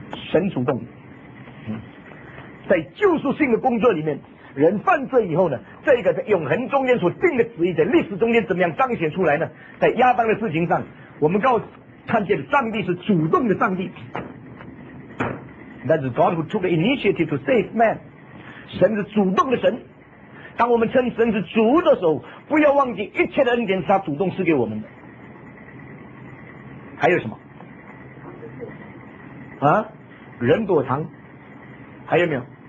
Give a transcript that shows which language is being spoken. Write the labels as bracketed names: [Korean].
[Chinese] 神主动。在救赎性的工作里面，人犯罪以后呢，这个在永恒中间所定的旨意在历史中间怎么样彰显出来呢？在亚当的事情上，我们告看见上帝是主动的上帝。 [English] That's God who took the initiative to save man。 [Chinese] 神是主动的神。当我们称神是主的时候，不要忘记一切的恩典是他主动赐给我们的。还有什么啊？人躲藏，还有没有？